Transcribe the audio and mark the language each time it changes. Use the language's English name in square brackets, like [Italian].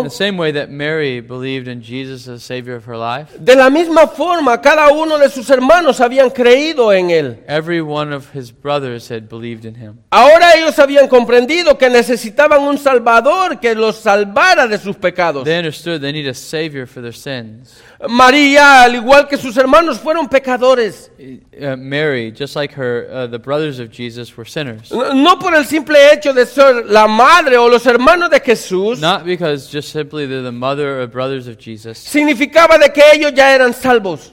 [English] In the same way that Mary believed in Jesus as the Savior of her life. [Spanish] De la misma forma, cada uno de sus hermanos habían creído en él. [English] Every one of his brothers had believed in him. [Spanish] Ahora ellos habían comprendido que necesitaban un Salvador que los salvara de sus pecados. [English] They understood they need a Savior for their sins. [Spanish] María, al igual que sus hermanos, fueron pecadores. [English] Mary, just like her, the brothers of Jesus were sinners. [Spanish] No por el simple hecho de ser la madre o los hermanos de Jesús. [English] Not because just simply they're the mother or brothers of Jesus. [Spanish] Significaba de que ellos ya eran salvos.